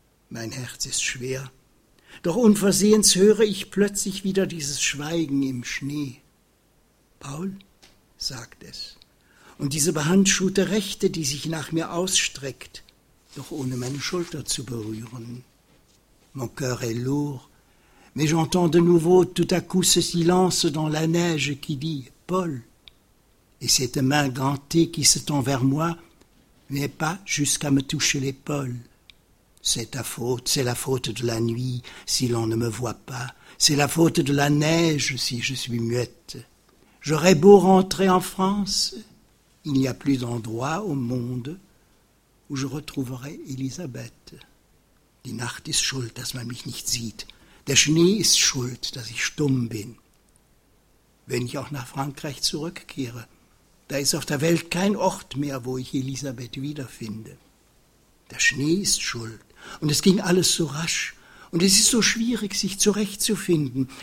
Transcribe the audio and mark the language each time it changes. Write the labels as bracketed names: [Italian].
[German] Mein Herz ist schwer, doch unversehens höre ich plötzlich wieder dieses Schweigen im Schnee. Paul, sagt es, und diese behandschuhte Rechte, die sich nach mir ausstreckt, doch ohne meine Schulter zu berühren. [French] Mon cœur est lourd, mais j'entends de nouveau tout à coup ce silence dans la neige qui dit « Paul ». Et cette main gantée qui se tend vers moi, mais pas jusqu'à me toucher l'épaule. C'est ta faute, c'est la faute de la nuit, si l'on ne me voit pas. C'est la faute de la neige, si je suis muette. J'aurais beau rentrer en France, il n'y a plus d'endroit au monde où je retrouverai Elisabeth. [German] Die Nacht ist schuld, dass man mich nicht sieht. Der Schnee ist schuld, dass ich stumm bin. Wenn ich auch nach Frankreich zurückkehre, da ist auf der Welt kein Ort mehr, wo ich Elisabeth wiederfinde. Der Schnee ist schuld und es ging alles so rasch. Und es ist so schwierig, sich zurechtzufinden.